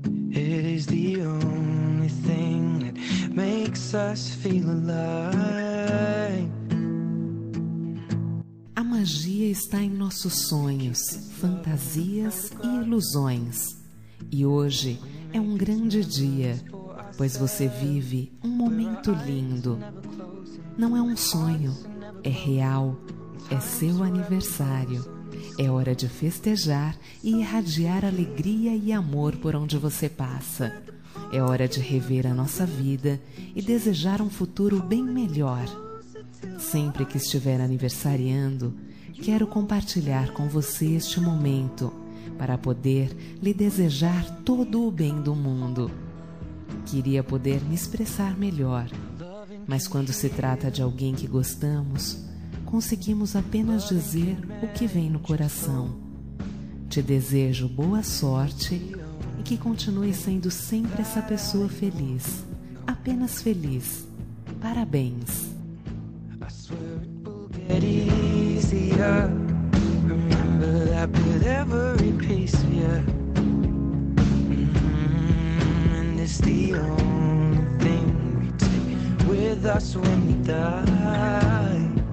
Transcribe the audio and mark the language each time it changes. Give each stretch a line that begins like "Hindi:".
English: It is the only thing that makes us feel alive.
Portuguese: A magia está em nossos sonhos, fantasias e ilusões. E hoje é um grande dia, pois você vive um momento lindo. Não é um sonho, é real, é seu aniversário. É hora de festejar e irradiar alegria e amor por onde você passa. É hora de rever a nossa vida e desejar um futuro bem melhor. Sempre que estiver aniversariando, quero compartilhar com você este momento para poder lhe desejar todo o bem do mundo. Queria poder me expressar melhor, mas quando se trata de alguém que gostamos, conseguimos apenas dizer o que vem no coração. Te desejo boa sorte e que continue sendo sempre essa pessoa feliz, apenas feliz. Parabéns!
English: I swear it will get easier. Remember that with every piece of you. And it's the only thing we take with us when we die.